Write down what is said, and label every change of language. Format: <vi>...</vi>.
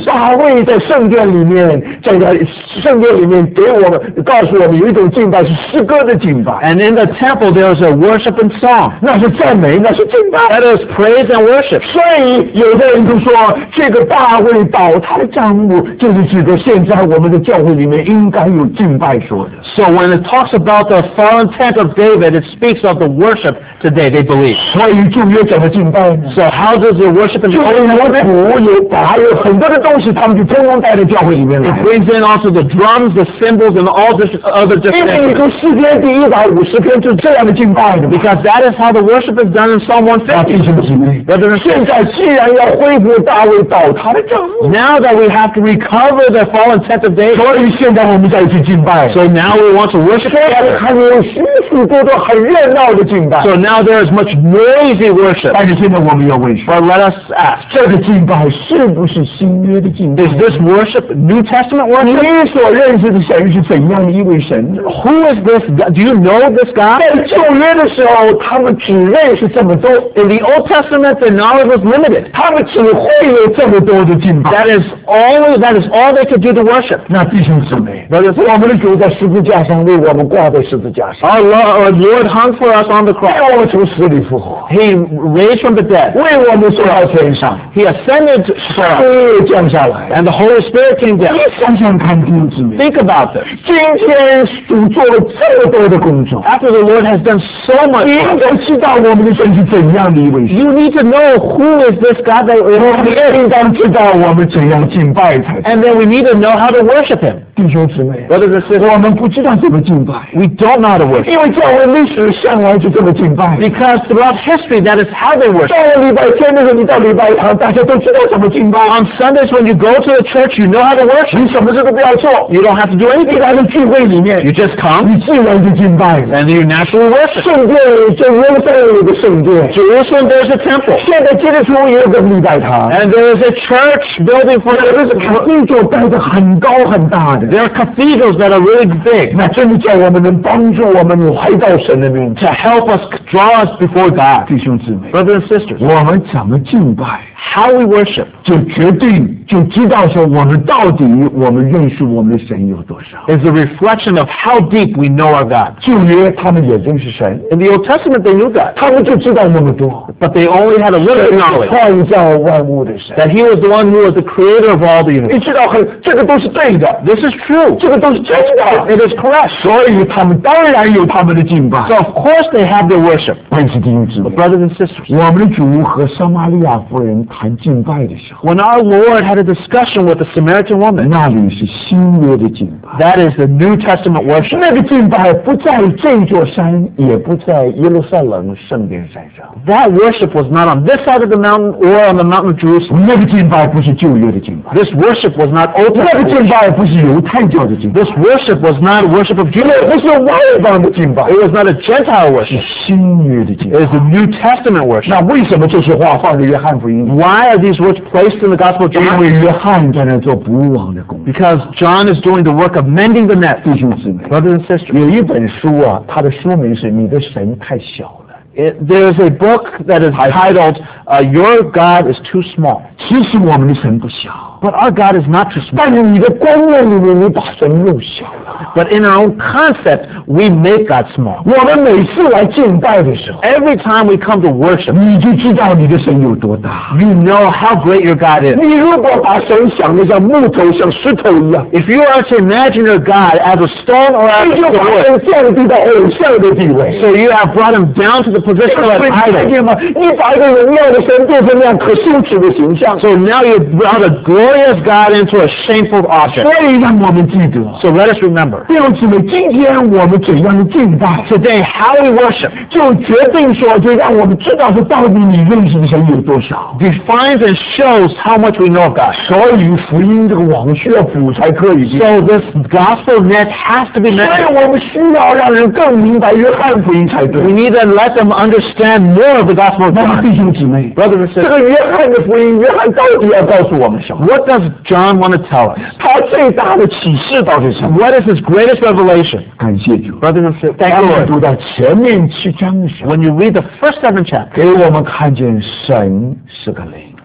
<zh>是大卫在圣殿里面，在圣殿里面给我们告诉我们有一种敬拜是诗歌的敬拜。</zh> <en>And in the temple there is a worship and song.</en> <zh>那是赞美，那是敬拜。</zh> <en>That is praise and worship.</en> <zh>所以有的人就说，这个大卫倒塌的帐幕就是指的现在我们的教会里面应该有敬拜说的。</zh> <en>So when it talks about the fallen tent of David, it speaks of the worship today. They believe.</en> <zh>所以旧约怎么敬拜呢？</zh> <en>So how does the worship and song?</en> <zh>有很多的东西他们就通通带到教会里面来。</zh> <en>It brings in also the drums, the cymbals, and all the other different</en> <zh>因为你说诗篇第一百五十篇就是这样的敬拜的。</zh> <en>Because that is how the worship is done in Psalm 150.</en> <zh>弟兄姊妹，现在既然要恢复大卫倒塌的帐幕，</zh> <en>Now that we have to recover the fallen tent of David,</en> <zh>所以现在我们再去敬拜。</zh> <en>So now we want to worship.</en> <zh>虽然还有许许多多很热闹的敬拜。</zh> <en>So now there is much noisy worship.</en> <zh>但是现在我们要问什</zh> <en>么？But let us ask.</en> <zh>这个敬拜是不是新约的敬拜？</zh> <en>Is this worship New Testament worship?</en> <zh>你所认识的神是怎样的一位神？</zh> <en>Who is this God? Do you know this God?</en> <zh>在旧约的时候他们只认识这么多。</zh> <en>In the Old Testament the knowledge was limited.</en> <zh>他们只会有这么多的敬拜。</zh> <en>That is all they could do to worship.</en> <zh>那弟兄姊妹，我们的主在十字架上为我们挂在十字架上。</zh> <en>Our Lord hung for us on the cross.</en> <zh>让我们从死里复活。</zh> <en>He raised from the dead.</en> <zh>为我们送到天上。</zh> <en>He ascended and the Holy Spirit came down.</en> <zh>你想想看弟兄姊妹，</zh> <en>Think about this.</en> <zh>今天主做了这么多的工作，</zh> <en>After the Lord has done so much,</en> <zh>你应该知道我们的神是怎样的一位神。</zh> <en>You need to know who is this God that we have.</en> <zh>我们应当知道我们怎样敬拜他。</zh> <en>And then we need to know how to worship him.</en> <zh>弟兄姊妹，</zh> <en>Brothers and sisters,</en> <zh>我们不知道怎么敬拜。</zh> <en>We don't know how to worship.</en> <zh>因为教会历史向来就这么敬拜。</zh> <en>Because throughout history, that is how they worship.</en> <zh>到礼拜天的时候，你到礼拜堂，大家都知道怎么敬拜。</zh> <en>On Sundays when you go to the church, you know how to worship.</en> <zh>你什么事都不要做。</zh> <en>You don't have to do anything.</en> <zh>你来到聚会里面，</zh> <en>You just come.</en> <zh>你自然就敬拜。</zh> <en>And you naturally worship.</en> <zh>圣殿就耶路撒冷有个圣殿。</zh> <en>Jerusalem, there's a temple.</en> <zh>现在基督徒也有个礼拜堂。</zh> <en>And there is a church building for the cathedral.</en> <zh>盖得很高很大的。</zh> <en>There are cathedrals that are really big.</en> <zh>那真的叫我们能帮助我们来到神的面前。</zh> <en>To help us, draw us before God.</en> <zh>弟兄姊妹，</zh> <en>Brothers and sisters,</en> <zh>我们怎么敬拜？</zh> <en>How we worship</en> <zh>就决定就知道说我们到底我们认识我们的神有多少。</zh> <en>It's a reflection of how deep we know our God.</en> <zh>旧约他们也认识神。</zh> <en>In the Old Testament they knew God.</en> <zh>他们就知道那么多。</zh> <en>But they only had a little knowledge.</en> <zh>创造万物的神。</zh> <en>That he was the one who was the creator of all the universe.</en> <zh>你知道很这个都是对的。</zh> <en>This is true.</en> <zh>这个都是真的。</zh> <en>It is correct.</en> <zh>所以他们当然有他们的敬拜。</zh> <en>So of course they have their worship.</en> <zh>但是弟兄姊妹，</zh> <en>brothers and sisters,</en> <zh>我们的主和撒玛利亚夫人谈敬拜的时候</zh> <en>when our Lord had a discussion with the Samaritan woman,</en> <zh>那里是新约的敬拜</zh> <en>that is the New Testament worship.</en> <zh>那个敬拜不在这座山也不在耶路撒冷圣殿山上</zh> <en>that worship was not on this side of the mountain or on the mountain of Jerusalem.</en> <zh>那个敬拜不是旧约的敬拜</zh> <en>this worship was not Old Testament</en> <zh>那个敬拜不是犹太教的敬拜</zh> <en>this worship was not worship of Judaism.</en> <zh>不是外邦的敬拜</zh> <en>it was not a Gentile worship.</en> <zh>是新约的敬拜</zh> <en>it is the New Testament worship.</en> <zh>那为什么这些话放在约翰福音</zh> <en>Why are these words placed in the Gospel of John?</en> <zh>因为约翰在那做捕网的工作</zh> <en>Because John is doing the work of mending the net.</en> <zh>弟兄姊妹</zh> <en>Brothers and sisters.</en> <zh>有一本书啊它的书名是你的神太小了</zh> <en>There is a book that is titled Your God is Too Small.</en> <zh>其实我们的神不小</zh> <en>But our God is not too small.</en> <zh>但是你的观念里面你把神弄小了</zh> <en>But in our own concept, we make God small.</en> <zh>我们每次来敬拜的时候</zh> <en>Every time we come to worship,</en> <zh>你就知道你的神有多大</zh> <en>You know how great your God is.</en> <zh>你如果把神想得像木头像石头一样</zh> <en>If you are to imagine your God as a stone or as a stone,</en> <zh>你就把神降低到偶像的地位</zh> <en>So you have brought him down to the position of an idol.</en> <zh>你把一个人要的神变成那样可羞耻的形象</zh> <en>So now you brought a glorious God into a shameful object.</en> <zh>所以让我们记得</zh> <en>So let us remember.</en> <zh>弟兄姊妹，今天我们怎样的敬拜</zh> <en>？Today how we worship，</en> <zh>就决定说，就让我们知道是到底你认识的神有多少。</zh> <en>Defines and shows how much we know God。</en> <zh>所以福音这个网需要补才可以。</zh> <en>So this gospel net has to be mended。</en> <zh>所以我们需要让人更明白约翰福音才对。</zh> <en>We need to let them understand more of the gospel。</en> <zh>那弟兄姊妹</zh> <en>，Brothers and sisters，</en> <zh>这个约翰的福音，约翰到底要告诉我们什么</zh> <en>？What does John want to tell us？</en> <zh>他最大的启示到底是什么</zh> <en>？What is his greatest revelation.</en> <zh>感谢主</zh> <en>Brothers and sisters, thank you.</en> <zh>当我们读到前面七章的时候</zh> <en>When you read the first seven chapters,</en> <zh>给我们看见神是个灵</zh>